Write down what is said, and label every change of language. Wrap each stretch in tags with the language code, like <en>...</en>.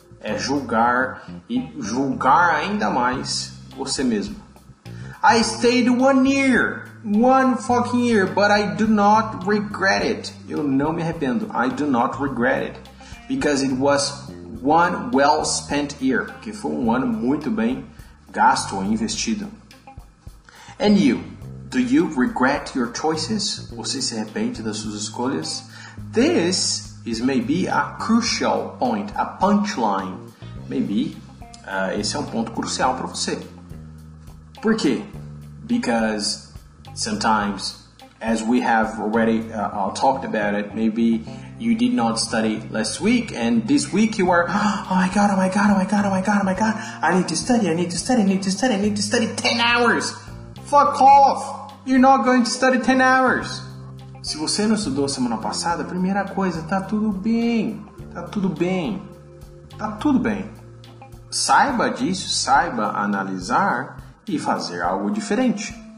<pt>É julgar e julgar ainda mais você mesmo.</pt> <en>I stayed 1 year, one fucking year, but I do not regret it.</en> <pt>Eu não me arrependo.</pt> <en>I do not regret it. Because it was one well spent year,</en> <pt>que foi um ano muito bem gasto ou investido.</pt> <en>And you, do you regret your choices?</en> <pt>Você se arrepende das suas escolhas?</pt> <en>This is maybe a crucial point, a punchline.</en> <pt>Maybe, esse é um ponto crucial para você. Por quê?</pt> <en>Because sometimes, as we have already talked about it, maybe you did not study last week, and this week you are, oh my god, oh my god, oh my god, oh my god, oh my god, I need to study, I need to study, I need to study, I need to study 10 hours! Fuck off! You're not going to study 10 hours!</en> <pt>Se você não estudou semana passada, primeira coisa, tá tudo bem, tá tudo bem, tá tudo bem. Saiba disso, saiba analisar e fazer algo diferente.</pt>